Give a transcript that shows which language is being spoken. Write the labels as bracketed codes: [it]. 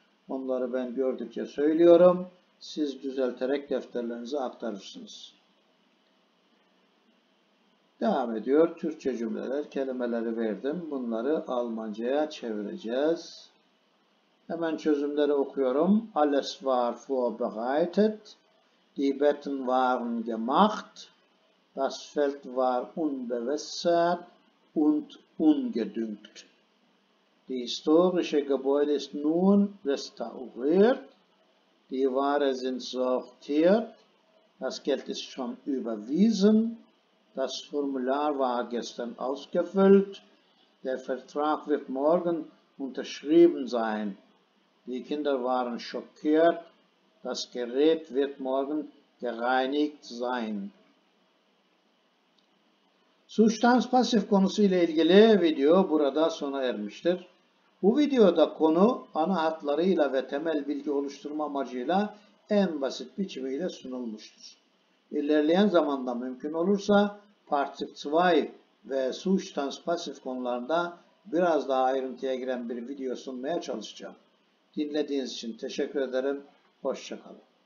[tr] Onları ben gördükçe söylüyorum. Siz düzelterek defterlerinize aktarırsınız. Devam ediyor. Türkçe cümleler, kelimeleri verdim. Bunları Almanca'ya çevireceğiz. Hemen çözümleri okuyorum. [de] Alles war vorbereitet. Die Betten waren gemacht. Das Feld war unbewässert und ungedüngt. Die historische Gebäude ist nun restauriert. Die Ware sind sortiert. Das Geld ist schon überwiesen. Das Formular war gestern ausgefüllt. Der Vertrag wird morgen unterschrieben sein. Die Kinder waren schockiert. Das Gerät wird morgen gereinigt sein. [tr] Suçtan pasif konusuyla ilgili video burada sona ermiştir. Bu videoda konu ana hatlarıyla ve temel bilgi oluşturma amacıyla en basit biçimiyle sunulmuştur. İlerleyen zamanda mümkün olursa Partizip 2 ve Suçtans pasif konularında biraz daha ayrıntıya giren bir video sunmaya çalışacağım. Dinlediğiniz için teşekkür ederim. Hoşça kalın.